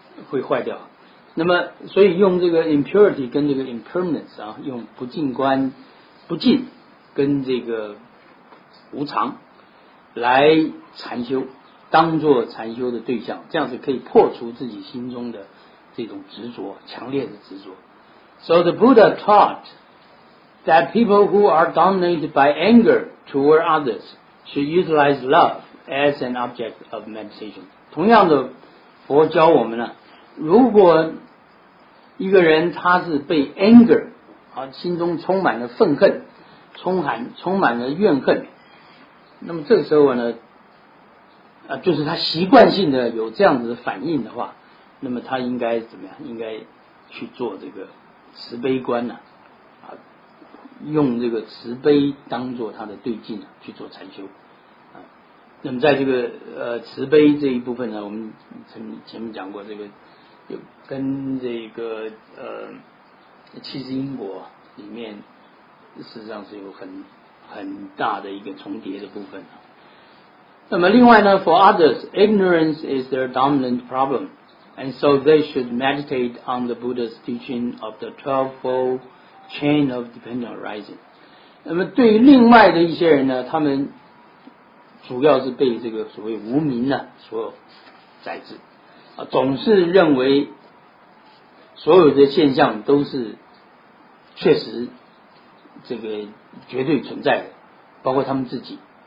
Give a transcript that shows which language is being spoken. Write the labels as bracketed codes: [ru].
[zh] 会坏掉、那么所以用这个 impurity 跟这个 impermanence 啊，用不净观不净跟这个无常来禅修，当作禅修的对象，这样子可以破除自己心中的这种执着，强烈的执着。 [en] So the Buddha taught that people who are dominated by anger toward others should utilize love as an object of meditation. [zh] 同样的，佛教我们呢，如果一个人他是被 anger 心中充满了愤恨，充满了怨恨。那么这个时候呢，就是他习惯性的有这样子的反应的话，那么他应该怎么样？应该去做这个慈悲观呢、用这个慈悲当做他的对境、去做禅修。那么在这个慈悲这一部分呢，我们前面讲过，这个有跟这个七支因果里面，事实上是有很大的一个重叠的部分。那么另外呢 [en] ，for others, ignorance is their dominant problem, and so they should meditate on the Buddha's teaching of the 12-fold chain of dependent arising. [zh] 那么对于另外的一些人呢，他们主要是被这个所谓无明呢所宰制，总是认为所有的现象都是确实这个绝对存在的，包括他们自己。